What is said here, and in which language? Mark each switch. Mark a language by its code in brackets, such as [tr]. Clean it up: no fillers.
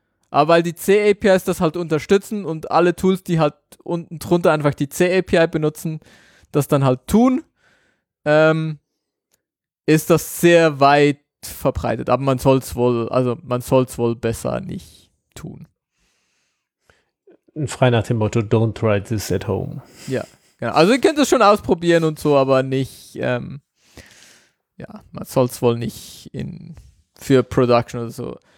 [de] Aber weil die C-APIs das halt unterstützen und alle Tools, die halt unten drunter einfach die C-API benutzen, das dann halt tun, ist das sehr weit verbreitet, aber man soll es wohl besser nicht tun. Frei nach dem Motto, [en] don't try this at home. [de] Ja, genau. Also ihr könnt es schon ausprobieren und so, aber nicht, man soll es wohl nicht für Production oder so.